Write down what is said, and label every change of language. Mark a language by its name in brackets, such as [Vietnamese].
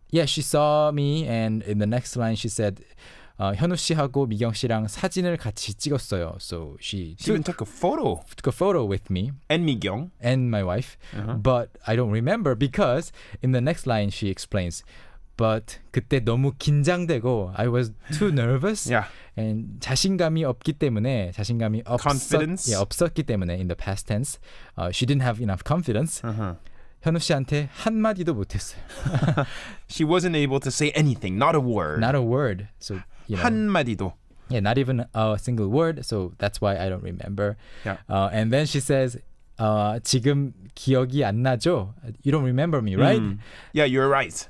[English] Yeah, she saw me, and in the next line she said, [Korean] 현우 씨하고 미경 씨랑 사진을 같이 찍었어요. [English] So she even took a photo. Took a photo with me. And 미경. And my wife. Uh-huh. But I don't remember because in the next line she explains, but [Korean] 그때 너무 긴장되고 [English] I was too nervous. Yeah. [Korean] And 자신감이 없기 때문에 자신감이 [English] confidence. [Korean] 없었기 때문에 [English] in the past tense. She didn't have enough confidence. Uh-huh. [Korean] 현우 씨한테 한 마디도 못했어요. [English] She wasn't able to say anything, not a word. Not a word. So, you know, [Korean] 한 마디도. [English] Yeah, not even a single word. So that's why I don't remember. Yeah. And then she says, [Korean] 지금 기억이 안 나죠? [English] You don't remember me, right? Mm. Yeah, you're right.